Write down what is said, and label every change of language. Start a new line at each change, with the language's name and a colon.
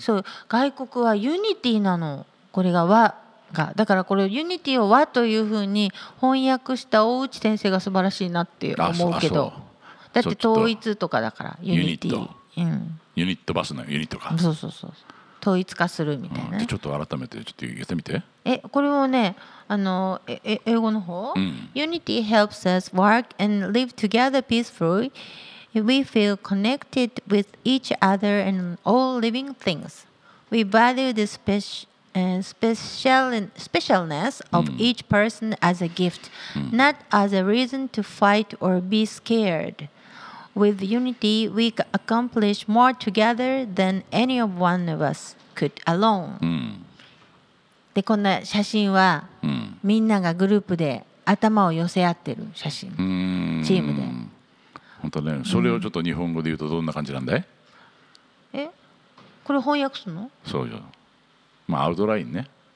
Japanese: そう、外国はユニティなの、これが和が、だからこれユニティを和というふうに翻訳した大内先生が素晴らしいなって思うけど、だって統一とかだからユニティ、うん、ユニットバスのユニットか、そうそうそう、統一化するみたいな、ね、うん、ちょっと改めてちょっと言ってみて。え、これもね、あの、え、英語の方、うん、
English: Unity helps us work and live together peacefully. We feel connected with each other and all living things. We value the specialness of each person as a gift、うん、not as a reason to fight or be scaredWith unity, we accomplish more together than any of one of us could alone.、
Japanese: うん、で、こんな写真は、うん、みんながグループで頭を寄せ合ってる写真、うん、チームで。本当ね、それをちょっと日本語で言うとどんな感じなんだい、うん、え、これ翻訳するの？そうよ。まあアウトラインね。